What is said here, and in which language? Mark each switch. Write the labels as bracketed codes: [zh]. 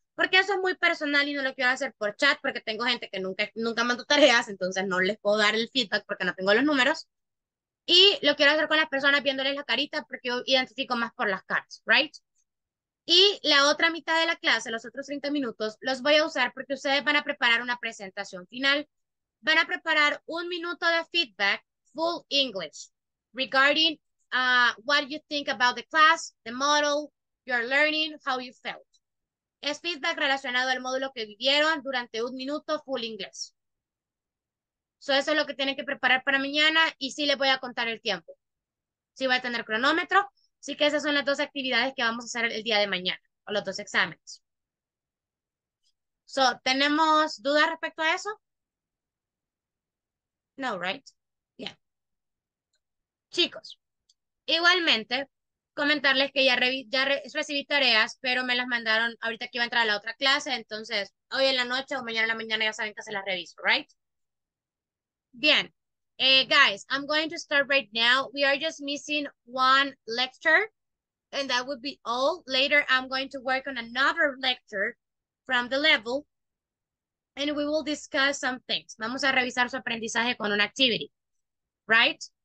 [es] Porque eso es muy personal y no lo quiero hacer por chat, porque tengo gente que nunca mando tareas, entonces no les puedo dar el feedback porque no tengo los números. Y lo quiero hacer con las personas viéndoles la carita porque yo identifico más por las caras, ¿right? Y la otra mitad de la clase, los otros 30 minutos, los voy a usar porque ustedes van a preparar una presentación final. Van a preparar un minuto de feedback, [en] full English, regarding what you think about the class, the model, your learning, how you felt. [es] Es feedback relacionado al módulo que vivieron durante un minuto, full English. So eso es lo que tienen que preparar para mañana y sí les voy a contar el tiempo. Sí voy a tener cronómetro. Así que esas son las dos actividades que vamos a hacer el día de mañana, o los dos exámenes. So, ¿tenemos dudas respecto a eso? No, [en] right? Yeah. [es] Chicos, igualmente, comentarles que ya recibí tareas, pero me las mandaron ahorita que iba a entrar a la otra clase, entonces hoy en la noche o mañana en la mañana ya saben que se las reviso, right? [en] Bien, guys, I'm going to start right now. We are just missing one lecture, and that would be all. Later, I'm going to work on another lecture from the level, and we will discuss some things. [es] Vamos a revisar su aprendizaje con una activity, right?